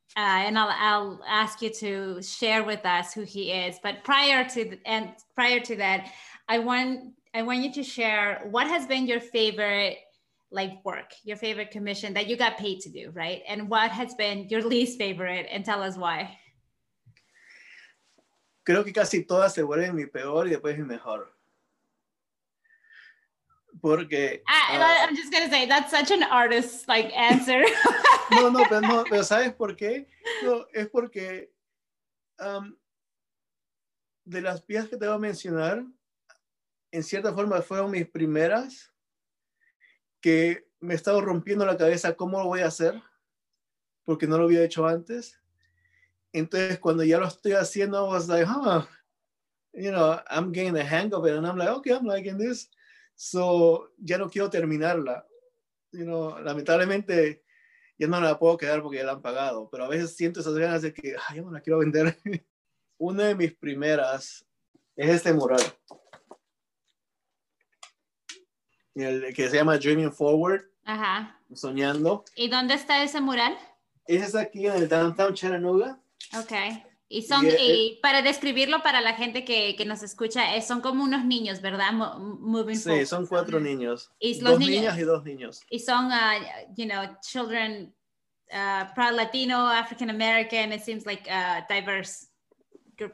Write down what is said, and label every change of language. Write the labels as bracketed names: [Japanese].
[English] And I'll ask you to share with us who he is. But prior to that, I want you to share what has been your favorite like work, your favorite commission that you got paid to do, right? And what has been your least favorite, and tell us why. [Spanish] Creo que casi todas se vuelven mi peor y después mi mejor. Porque [English] I'm just gonna say that's such an artist like answer. [Spanish] pero ¿sabes por qué? No, es porque de las piezas que te voy a mencionar, en cierta forma fueron mis primeras que me estaba rompiendo la cabeza cómo lo voy a hacer porque no lo había hecho antes. Entonces cuando ya lo estoy haciendo, [English] I was like, oh, you know, I'm getting the hang of it, and I'm like, okay, I'm liking this. [Spanish] So, ya no quiero terminarla. [English] You know, [Spanish] lamentablemente, ya no la puedo quedar porque ya la han pagado. Pero a veces siento esas ganas de que, ay, yo no la quiero vender. Una de mis primeras es este mural. El que se llama Dreaming Forward. Ajá. Soñando. ¿Y dónde está ese mural? Ese es aquí en el Downtown Chattanooga. [English] Okay. [Spanish] Y son, y para describirlo para la gente que nos escucha, son como unos niños, ¿verdad? [English] Moving [Spanish] sí, forward. Son cuatro niños. Dos niñas y dos niños. Y son, [English] you know, children, proud Latino, African American, it seems like a diverse group.